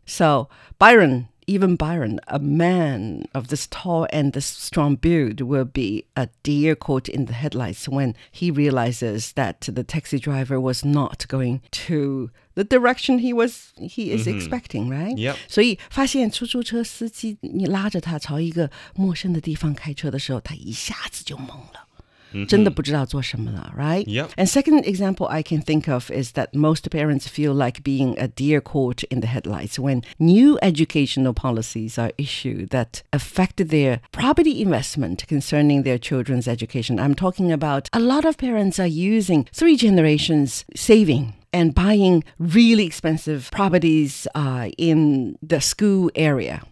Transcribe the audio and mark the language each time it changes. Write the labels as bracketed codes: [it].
[en] So Byron, even Byron, a man of this tall and this strong build, will be a deer caught in the headlights when he realizes that the taxi driver was not going to the direction he is expecting, right? Yep. [zh] 所以发现出租车司机你拉着他朝一个陌生的地方开车的时候，他一下子就懵了。真的不知道做什么了, right? [en] Yep. And second example I can think of is that most parents feel like being a deer caught in the headlights when new educational policies are issued that affect their property investment concerning their children's education. I'm talking about a lot of parents are using 3 generations saving and buying really expensive properties in the school area.